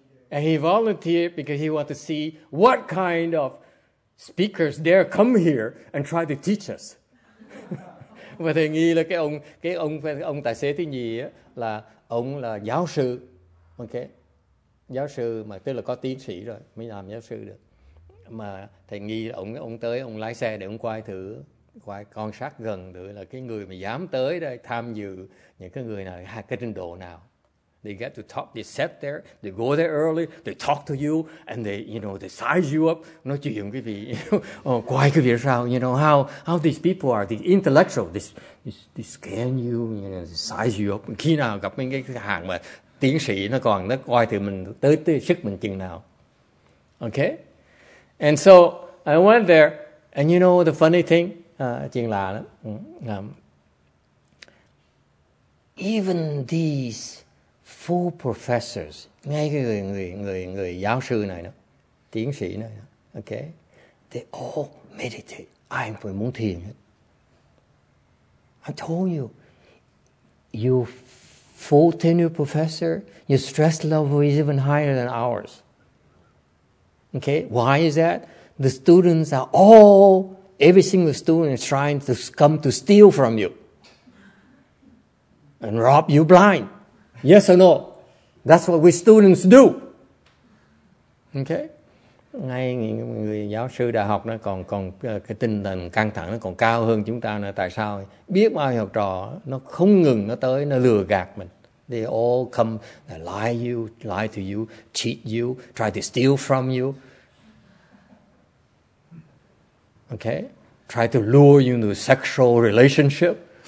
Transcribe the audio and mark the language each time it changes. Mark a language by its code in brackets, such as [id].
[en] And he volunteered because he wanted to see what kind of speakers dare come here and try to teach us. [vi] Và thầy nghĩ là cái ông tài xế thứ nhì á, là ông là giáo sư, okay, giáo sư mà tức là có tiến sĩ rồi mới làm giáo sư được. Mà thầy nghĩ ông tới ông lái xe để ông quay thử, quay quan sát gần thử là cái người mà dám tới đây tham dự những cái người nào, cái trình độ nào. [en] They get to talk, they sit there, they go there early, they talk to you, and they, you know, they size you up. [vi] Nói chuyện quý vị, quay quý vị sao, [en] you know, how these people are, these intellectuals, they scan you, you know, they size you up. [vi] Khi nào gặp mấy cái hàng mà tiến sĩ nó quay từ mình tới sức mình chừng nào. [en] Okay? And so, I went there, and you know the funny thing, [vi] chuyện lạ lắm. [en] Even these full professors, [vi] ngay cái người giáo sư này đó, tiến sĩ này, đó, okay, [en] they all meditate. [vi] Ai cũng muốn thiền hết. [en] I told you, you full tenure professor, your stress level is even higher than ours. Okay, why is that? The students are all, every single student is trying to come to steal from you and rob you blind. Yes or no? That's what we students do. Okay? [vi] Ngay người giáo sư đại học nó còn cái tinh thần căng thẳng nó còn cao hơn chúng ta nữa. Tại sao? Biết bao nhiêu học trò nó không ngừng nó tới, nó lừa gạt mình. [en] They all come, they lie to you, cheat you, try to steal from you. Okay? Try to lure you into a sexual relationship.